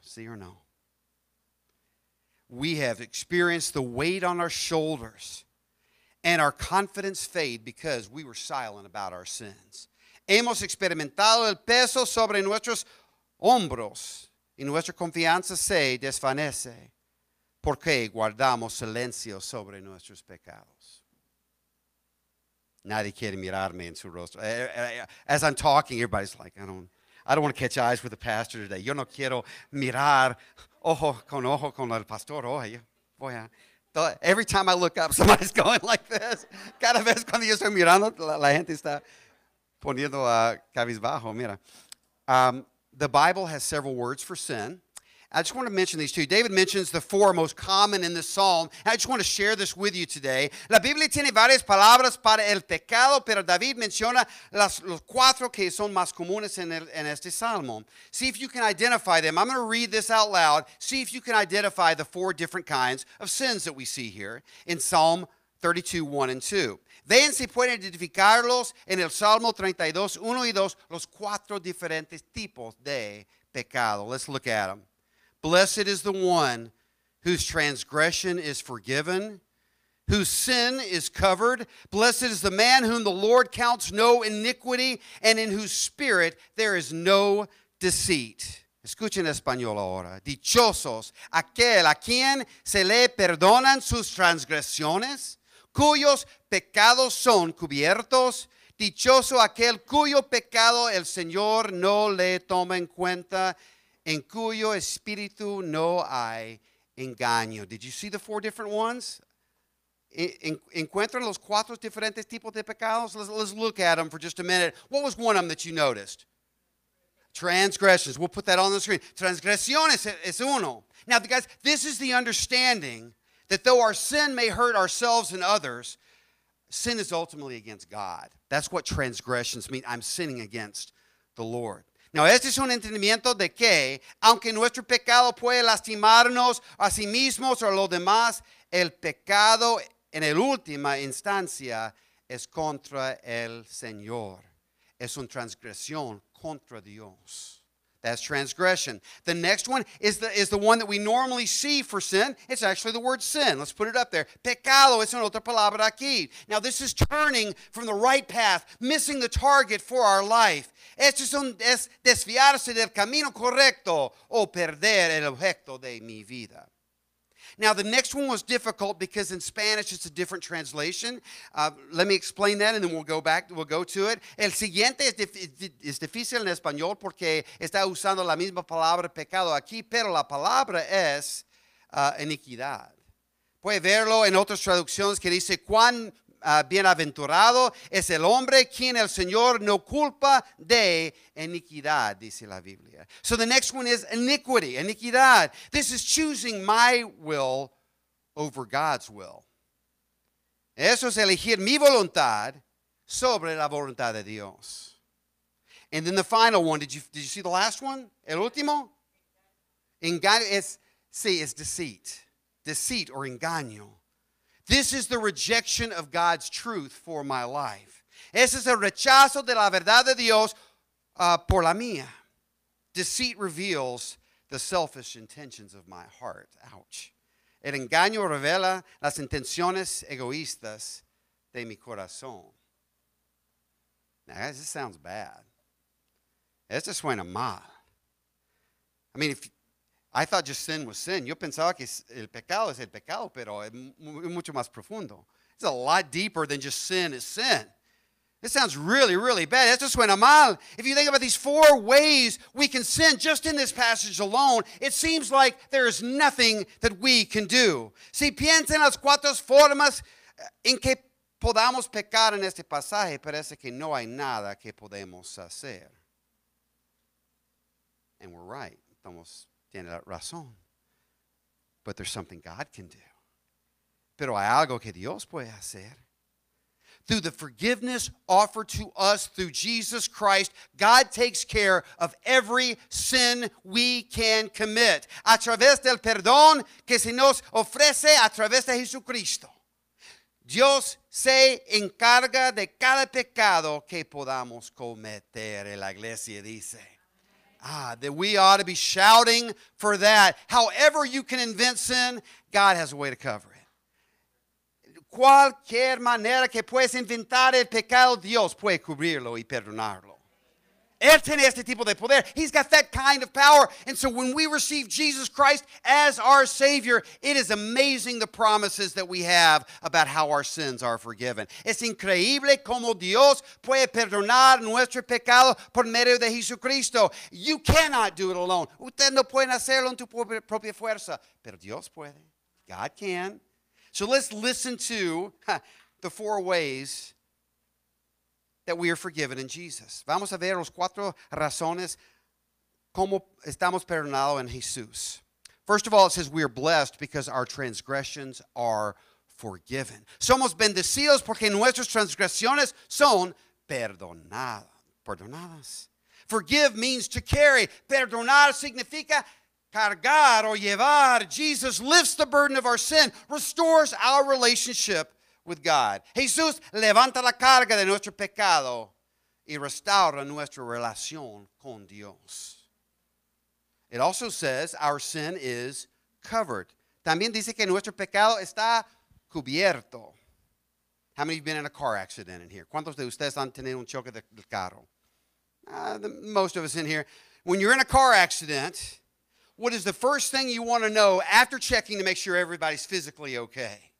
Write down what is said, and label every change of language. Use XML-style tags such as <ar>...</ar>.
<es>¿Sí o no?</es> <en>We have experienced the weight on our shoulders and our confidence fade because we were silent about our sins.</en> <es>Hemos experimentado el peso sobre nuestros hombros y nuestra confianza se desvanece porque guardamos silencio sobre nuestros pecados. Nadie quiere mirarme en su rostro.</es> <en>As I'm talking, everybody's like, I don't want to catch eyes with the pastor today.</en> <es>Yo no quiero mirar ojo con el pastor hoy. Voy a...</es> <en>Every time I look up, somebody's going like this.</en> <es>Cada vez cuando yo estoy mirando, la gente está poniendo cabizbajo. Mira.</es> <en>The Bible has several words for sin. I just want to mention these two. David mentions the four most common in the psalm. I just want to share this with you today.</en> <es>La Biblia tiene varias palabras para el pecado, pero David menciona los cuatro que son más comunes en este salmo.</es> <en>See if you can identify them. I'm going to read this out loud. See if you can identify the four different kinds of sins that we see here in Psalm 32, 1 and 2.</en> <es>Vean si pueden identificarlos en el Salmo 32, 1 y 2, los cuatro diferentes tipos de pecado.</es> <en>Let's look at them. Blessed is the one whose transgression is forgiven, whose sin is covered. Blessed is the man whom the Lord counts no iniquity, and in whose spirit there is no deceit.</en> <es>Escuchen español ahora. Dichosos aquel a quien se le perdonan sus transgresiones, cuyos pecados son cubiertos. Dichoso aquel cuyo pecado el Señor no le toma en cuenta, en cuyo espíritu no hay engaño.</es> <en>Did you see the four different ones?</en> <es>¿Encuentran los cuatro diferentes tipos de pecados?</es> <en>Let's look at them for just a minute. What was one of them that you noticed? Transgressions. We'll put that on the screen.</en> <es>Transgresiones es uno.</es> <en>Now, guys, this is the understanding that though our sin may hurt ourselves and others, sin is ultimately against God. That's what transgressions mean. I'm sinning against the Lord.</en> <es>Now, este es un entendimiento de que, aunque nuestro pecado puede lastimarnos a sí mismos o a los demás, el pecado en el última instancia es contra el Señor. Es una transgresión contra Dios.</es> <en>That's transgression. The next one is the one that we normally see for sin. It's actually the word sin. Let's put it up there.</en> <es>Pecado es una otra palabra aquí.</es> <en>Now, this is turning from the right path, missing the target for our life.</en> <es>Esto es desviarse del camino correcto o perder el objeto de mi vida.</es> <en>Now, the next one was difficult because in Spanish it's a different translation. Let me explain that and then we'll go to it.</en> <es>El siguiente es difícil en español porque está usando la misma palabra pecado aquí, pero la palabra es iniquidad. Puede verlo en otras traducciones que dice cuán bienaventurado es el hombre quien el Señor no culpa de iniquidad, dice la Biblia.</es> <en>So the next one is iniquity, iniquidad. This is choosing my will over God's will.</en> <es>Eso es elegir mi voluntad sobre la voluntad de Dios.</es> <en>And then the final one, did you see the last one?</en> <es>El último? Engaño, es</es> <en>deceit. Deceit or engaño. This is the rejection of God's truth for my life.</en> <es>Ese es el rechazo de la verdad de Dios por la mía.</es> <en>Deceit reveals the selfish intentions of my heart. Ouch.</en> <es>El engaño revela las intenciones egoístas de mi corazón.</es> <en>Now, guys, this sounds bad.</en> <es>Esto suena mal.</es> <en>I mean, I thought just sin was sin.</en> <es>Yo pensaba que el pecado es el pecado, pero es mucho más profundo.</es> <en>It's a lot deeper than just sin is sin. This sounds really, really bad.</en> <es>Esto suena mal.</es> <en>If you think about these four ways we can sin just in this passage alone, it seems like there is nothing that we can do.</en> <es>Si piensan las cuatro formas en que podamos pecar en este pasaje, parece que no hay nada que podemos hacer.</es> <en>And we're right.</en> <es>Estamos... Tiene razón.</es> <en>But there's something God can do.</en> <es>Pero hay algo que Dios puede hacer.</es> <en>Through the forgiveness offered to us through Jesus Christ, God takes care of every sin we can commit.</en> <es>A través del perdón que se nos ofrece a través de Jesucristo. Dios se encarga de cada pecado que podamos cometer. La iglesia dice.</es> <en>Ah, that we ought to be shouting for that. However you can invent sin, God has a way to cover it.</en> <es>Cualquier manera que puedes inventar el pecado, Dios puede cubrirlo y perdonarlo. Él tiene este tipo de poder.</es> <en>He's got that kind of power. And so when we receive Jesus Christ as our Savior, it is amazing the promises that we have about how our sins are forgiven.</en> <es>Es increíble cómo Dios puede perdonar nuestro pecado por medio de Jesucristo.</es> <en>You cannot do it alone.</en> <es>Usted no puede hacerlo en tu propia fuerza. Pero Dios puede.</es> <en>God can. So let's listen to the four ways that we are forgiven in Jesus.</en> <es>Vamos a ver los cuatro razones como estamos perdonados en Jesús.</es> <en>First of all, it says we are blessed because our transgressions are forgiven.</en> <es>Somos bendecidos porque nuestras transgresiones son perdonadas.</es> <en>Forgive means to carry.</en> <es>Perdonar significa cargar o llevar.</es> <en>Jesus lifts the burden of our sin, restores our relationship with God.</en> <es>Jesús levanta la carga de nuestro pecado y restaura nuestra relación con Dios.</es> <en>It also says our sin is covered.</en> <es>También dice que nuestro pecado está cubierto.</es> <en>How many have been in a car accident in here?</en> <es>¿Cuántos de ustedes han tenido un choque del carro?</es> <en>Most of us in here. When you're in a car accident, what is the first thing you want to know after checking to make sure everybody's physically okay?</en>